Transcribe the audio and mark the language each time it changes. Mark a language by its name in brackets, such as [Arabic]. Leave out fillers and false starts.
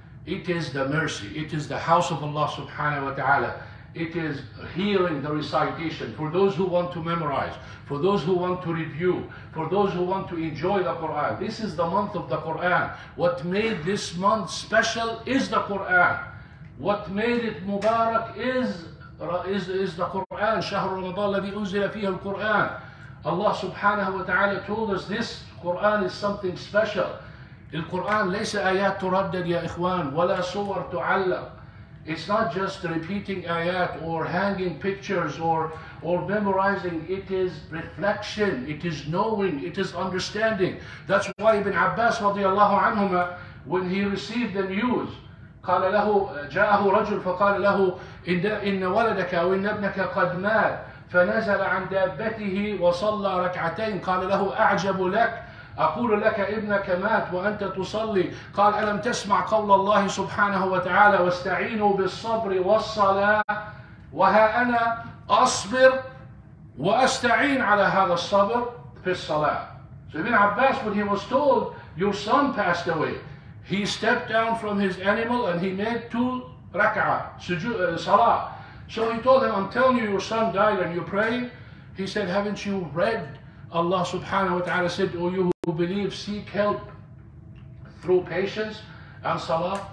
[English] It is the mercy, it is the house of Allah subhanahu wa ta'ala. It is healing the recitation for those who want to memorize, for those who want to review, for those who want to enjoy the Quran. This is the month of the Quran. What made this month special is the Quran. What made it Mubarak is the Quran. [Arabic] شهر رمضان الذي أنزل فيه القرآن. [English] Allah subhanahu wa ta'ala told us this Quran is something special. [Arabic] القرآن ليس آيات تردد يا إخوان ولا صور تعلق. [English] It's not just repeating ayat or hanging pictures or memorizing. It is reflection. It is knowing. It is understanding. That's why Ibn Abbas radiallahu anhuma, when he received the news, [Arabic] قال له جاءه رجل فقال له إن ولدك أو إن ابنك قد مات فنزل عن دابته وصلى ركعتين قال له أعجب لك أقول لك ابنك مات وأنت تصلي قال ألم تسمع قول الله سبحانه وتعالى واستعينوا بالصبر والصلاة وها أنا أصبر وأستعين على هذا الصبر في الصلاة. [English] So Ibn Abbas, when he was told your son passed away, he stepped down from his animal and he made two rak'ah, salah. So he told him, I'm telling you, your son died and you're praying. He said, haven't you read? Allah subhanahu wa ta'ala said, O you who believe, seek help through patience and salah.